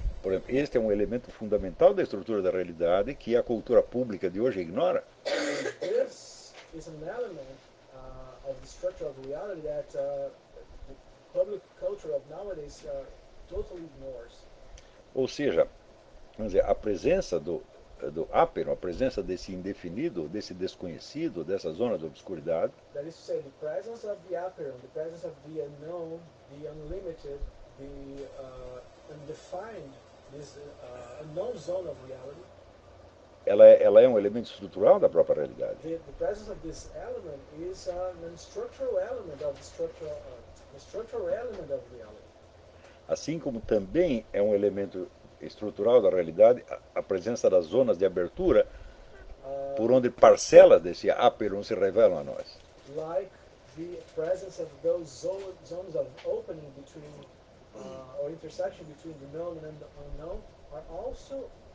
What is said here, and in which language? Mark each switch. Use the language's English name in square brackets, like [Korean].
[Portuguese] Por exemplo, este é um elemento fundamental da estrutura da realidade que a cultura pública de hoje ignora. [English] This is an element of the structure of reality that the public culture of nowadays totally ignores. [Portuguese] Ou seja, vamos dizer, a presença do Aperon, a presença desse indefinido, desse desconhecido, dessa zona de obscuridade. [English] That is to say, the presence of the Aperon, the presence of the unknown, the unlimited, the undefined. This unknown zone of reality, [Portuguese] ela é um elemento estrutural da própria realidade. [English] The presence of this element is an structural element of the structural element of reality. [Portuguese] Assim como também é um elemento estrutural da realidade a presença das zonas de abertura por onde parcelas desse Aperon se revelam a nós. [English] Like the presence of those zones of opening between or intersection between the known and the unknown are also